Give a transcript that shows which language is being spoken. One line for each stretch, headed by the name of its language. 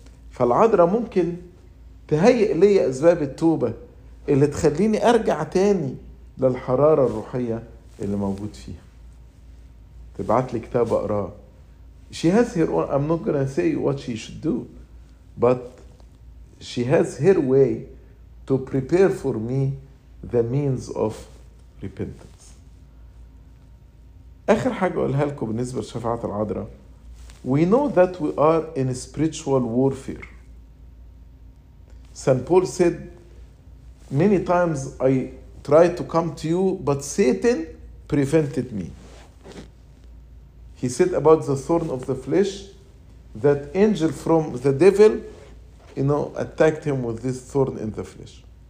Arabic: فالعذراء ممكن تهيئ لي أسباب التوبة اللي تخليني أرجع تاني للحرارة الروحية اللي موجود فيها. تبعت لي كتاب أقراه.
English: She has her own, I'm not going to say what she should do, but she has her way to prepare for me the means of repentance.
Arabic: آخر حاجة أقولها لكم بالنسبة لشفاعة العذراء.
English: We know that we are in a spiritual warfare. St. Paul said, many times I tried to come to you, but Satan prevented me. He said about the thorn of the flesh, that angel from the devil, you know, attacked him with this thorn in the flesh.